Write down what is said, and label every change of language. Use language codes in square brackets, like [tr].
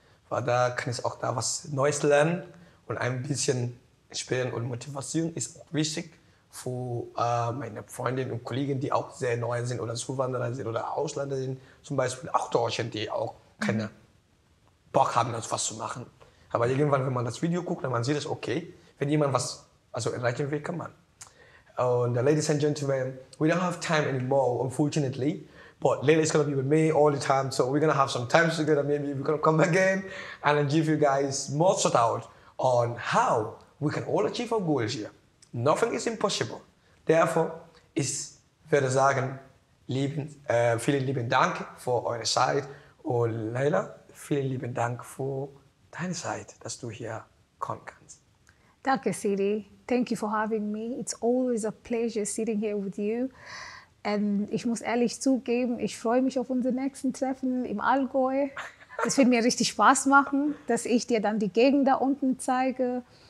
[de] Da kann ich auch da was Neues lernen und ein bisschen spielen und Motivation ist auch wichtig für meine Freundinnen und Kollegen, die auch sehr neu sind oder Zuwanderer sind oder Ausländer sind, zum Beispiel auch Deutsche, die auch keine Bock haben, was zu machen. Aber irgendwann, wenn man das Video guckt, dann sieht man es, okay, wenn jemand was also erreichen will, kann man. [en] Und ladies and gentlemen, we don't have time anymore, unfortunately. But Leila is gonna be with me all the time, so we're gonna have some time together. Maybe we're gonna come again and give you guys more thought out on how we can all achieve our goals here. Nothing is impossible. Therefore, [de] ich würde sagen, vielen lieben Dank für eure Zeit. Und Leila, vielen lieben Dank für deine Zeit, dass du hier kommen kannst. Danke, Sidi. [en] Thank you for having me. It's always a pleasure sitting here with you. [de] Und ich muss ehrlich zugeben, ich freue mich auf unser nächstes Treffen im Allgäu. Das wird mir richtig Spaß machen, dass ich dir dann die Gegend da unten zeige.